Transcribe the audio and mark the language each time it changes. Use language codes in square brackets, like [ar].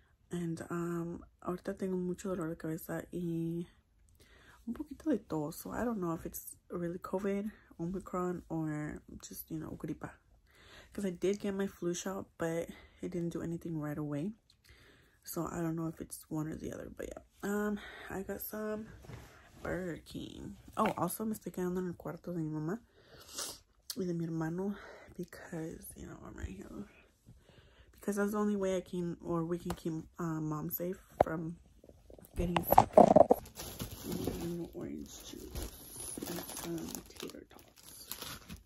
[es] And, ahorita tengo mucho dolor de cabeza y un poquito de tos. [en] So, I don't know if it's really COVID, Omicron, or just, you know, gripa. Because I did get my flu shot, but it didn't do anything right away. So, I don't know if it's one or the other. But, yeah. I got some Burger King. Oh, also, [es] me estoy quedando en el cuarto de mi mamá y de mi hermano. [en] Because, you know, I'm right here. Because that's the only way I can, or we can keep mom safe from getting sick. Orange juice and some tater tots.